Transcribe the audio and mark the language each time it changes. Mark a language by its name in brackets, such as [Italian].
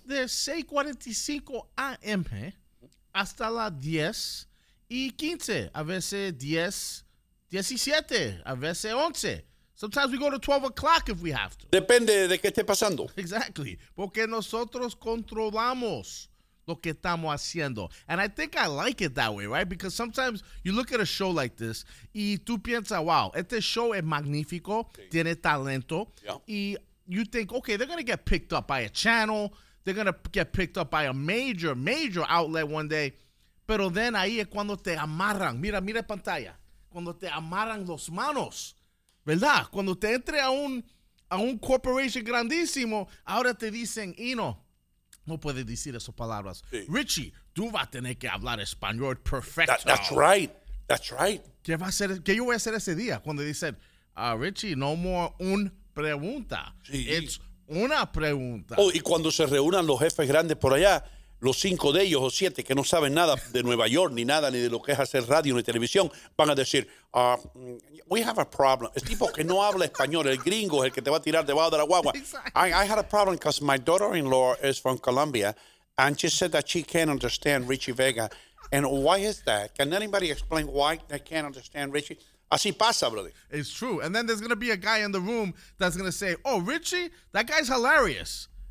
[Spanish] De 6:45 a.m. hasta las 10 y 15, a veces 10, 17, a veces 11. [English] Sometimes we go to 12 o'clock if we have to. [Spanish] Depende de qué esté pasando. [English] Exactly, [Spanish] porque nosotros controlamos lo que estamos haciendo. [English] And I think I like it that way, right? Because sometimes you look at a show like this [Spanish] y tú piensas, wow, este show es magnífico, sí. Tiene talento. [English] Yeah. Y you think, okay, they're going to get picked up by a channel. They're going to get picked up by a major, major outlet one day. [Spanish] Pero then ahí es cuando te amarran. Mira pantalla. Cuando te amarran los manos. ¿verdad? Cuando te entre a un corporation grandísimo, ahora te dicen, Eno, no puedes decir esas palabras. Sí. Richie, tú vas a tener que hablar español perfecto. [English] That's right. [Spanish] ¿Qué va a ser? ¿Qué yo voy a hacer ese día? Cuando dicen, Richie, [English] no more [Spanish] un pregunta. Sí. [English] It's [Spanish] una pregunta. Oh, y cuando se reúnan los jefes grandes por allá, los 5 de ellos o 7 que no saben nada de Nueva York, ni nada, ni de lo que es hacer radio ni televisión, van a decir, [English] we have a problem. [Spanish] El tipo que no habla español, el gringo, es el que te va a tirar debajo de la guagua. [English] Exactly. I had a problem because my daughter-in-law is from Colombia, and she said that she can't understand Richie Vega. And why is that? Can anybody explain why they can't understand Richie? [Spanish] Así pasa, brother. [English] It's true. And then there's going to be a guy in the room that's going to say, oh, Richie, that guy's hilarious.